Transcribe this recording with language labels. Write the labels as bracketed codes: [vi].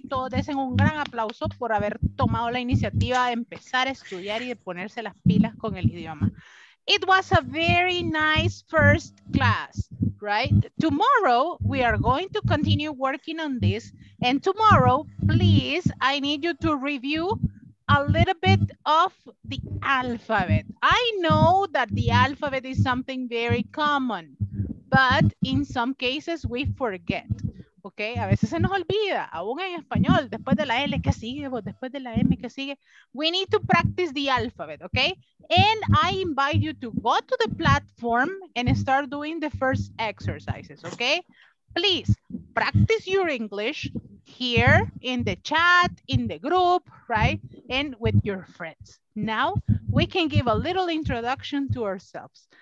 [es] Todos desen un gran aplauso por haber tomado la iniciativa de empezar a estudiar y de ponerse las pilas con el idioma. [en] It was a very nice first class, right? Tomorrow, we are going to continue working on this. And tomorrow, please, I need you to review a little bit of the alphabet. I know that the alphabet is something very common, but in some cases we forget, okay? [es] A veces se nos olvida, aún en español, después de la L que sigue, o después de la M que sigue. [en] We need to practice the alphabet, okay? And I invite you to go to the platform and start doing the first exercises, okay? Please practice your English here in the chat, in the group, right? And with your friends. Now we can give a little introduction to ourselves.